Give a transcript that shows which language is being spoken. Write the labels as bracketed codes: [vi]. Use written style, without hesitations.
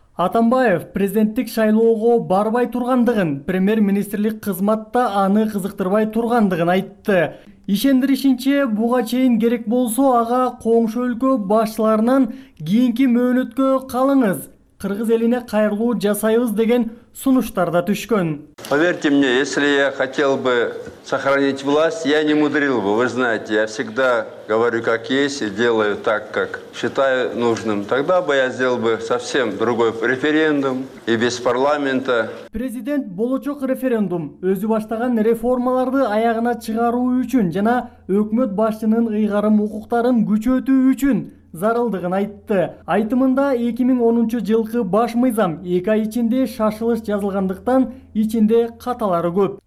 [ky] Атамбаев президенттик шайлоого барбай тургандыгын, премьер-министрлик кызматта аны кызыктырбай тургандыгын айтты. Ишендиришинче, буга чейин керек болсо ага коңшу өлкө башчыларынан кийинки мөөнөткө калыңыз, кыргыз элине кайрылуу жасайбыз деген сунуштар да түшкөн. [ru] Поверьте мне, если я хотел бы сохранить власть, я не мудрил бы. Вы знаете, я всегда говорю как есть и делаю так, как считаю нужным. Тогда бы я сделал бы совсем другой референдум и без парламента. [ky] Президент болочок референдум өзү баштаган реформаларды аягына чыгаруу үчүн жана өкмөт башчынын ыйгарым укуктарын күчөтүү үчүн зарылдыгын айтты. Айтымында 2010 жылкы баш мыйзам 2 ай ичинде шашылыш жазылгандыктан ичинде каталары көп.